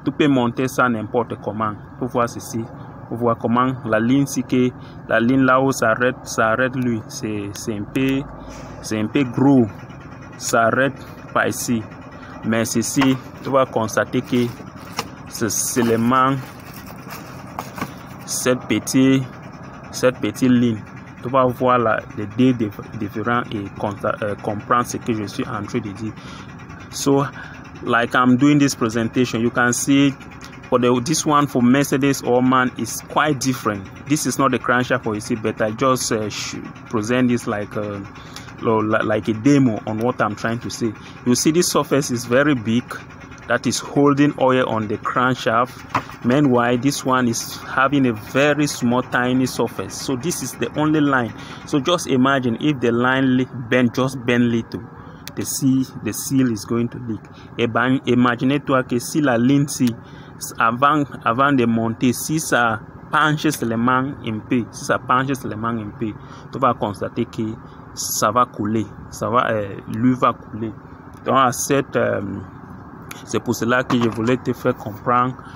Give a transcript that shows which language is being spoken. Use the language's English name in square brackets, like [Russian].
[French] Tout peut monter ça n'importe comment. Pour voir ceci, pour voir comment la ligne, si que la ligne là où ça arrête lui, c'est un peu gros, ça arrête pas ici. Mais ceci, tu vas constater que c'est seulement cette petite ligne. Tu vas voir là, les deux différents et comprendre ce que je suis en train de dire. [English] So, like I'm doing this presentation, you can see for this one for Mercedes or MAN is quite different. This is not the crankshaft for you see, but I just present this like a demo on what I'm trying to say. You see, this surface is very big that is holding oil on the crankshaft. Meanwhile, this one is having a very small, tiny surface. So this is the only line. So just imagine if the line bend little, the seal is going to leak. [French] Imagine toi que si la ligne si avant de monter, si ça penche seulement un peu, si ça penche seulement un peu, tu vas constater que ça va couler, ça va couler. Donc à cette c'est pour cela que je voulais te faire comprendre.